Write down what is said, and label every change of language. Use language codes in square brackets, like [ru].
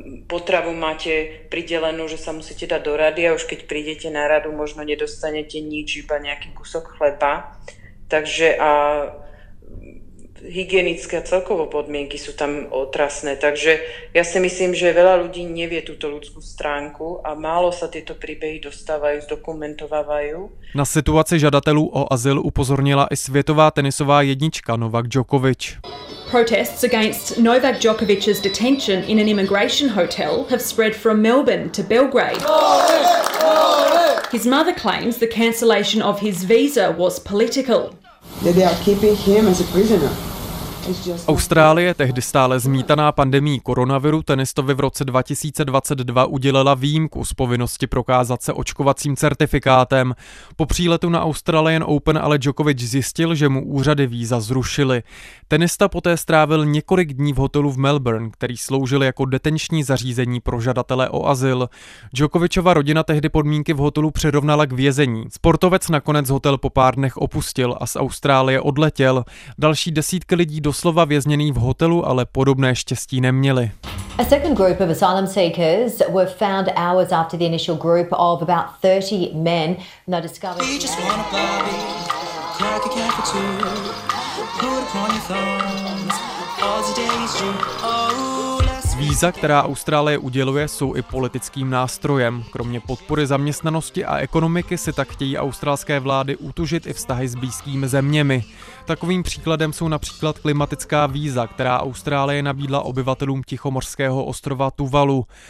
[sk] Potravu máte pridelenú, že sa musíte dať do rady a už keď prídete na radu, možno nedostanete nič, iba nejaký kúsok chleba. Takže a hygienické a celkovo podmienky sú tam otrasné, takže ja si myslím, že veľa ľudí nevie túto ľudskú stránku a málo sa tieto príbehy dostávajú, zdokumentovávajú. [cs] Na situaci žadatelů o azyl upozornila i světová tenisová jednička Novak Djokovic. [en] Protests against Novak Djokovic's detention in an immigration hotel have spread from Melbourne to Belgrade. His mother claims the cancellation of his visa was political. They are keeping him as a prisoner. [cs] Austrálie, tehdy stále zmítaná pandemií koronaviru, tenistovi v roce 2022 udělala výjimku z povinnosti prokázat se očkovacím certifikátem. Po příletu na Australian Open ale Djokovic zjistil, že mu úřady víza zrušily. Tenista poté strávil několik dní v hotelu v Melbourne, který sloužil jako detenční zařízení pro žadatele o azyl. Djokovicova rodina tehdy podmínky v hotelu přirovnala k vězení. Sportovec nakonec hotel po pár dnech opustil a z Austrálie odletěl. Další desítky lidí doslova vězněný v hotelu, ale podobné štěstí neměli. [en] A second group of asylum seekers were found hours after the initial group of about 30 men now discovered. You just wanna Barbie, crack a can for two, put upon your thumbs, all the days you oh. [cs] Víza, která Austrálie uděluje, jsou i politickým nástrojem. Kromě podpory zaměstnanosti a ekonomiky si tak chtějí australské vlády utužit i vztahy s blízkými zeměmi. Takovým příkladem jsou například klimatická víza, která Austrálie nabídla obyvatelům tichomořského ostrova Tuvalu.